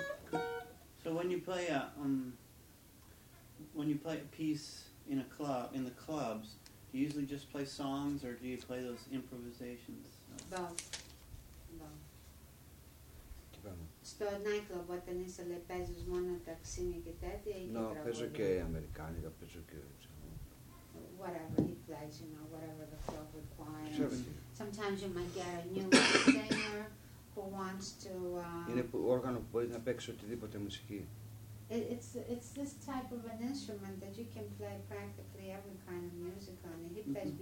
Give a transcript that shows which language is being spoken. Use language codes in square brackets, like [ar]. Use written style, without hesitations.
[en] Good. So when you play a piece in a club, in the clubs, do you usually just play songs or do you play those improvisations? Both. [el] εκεί πάνω. Στο nightclub όταν είσαι λέει παίζεις μόνο ταξίνι και τέτοια ή no, και παίζω και αμερικάνικα, παίζω και [en] whatever he plays, you know, whatever the club requires. Sure. Sometimes you might get a new singer who wants to... [el] Είναι όργανο που μπορείς να παίξεις οτιδήποτε μουσική. [en] It's this type of an instrument that you can play practically every kind of music on it. He plays mm-hmm.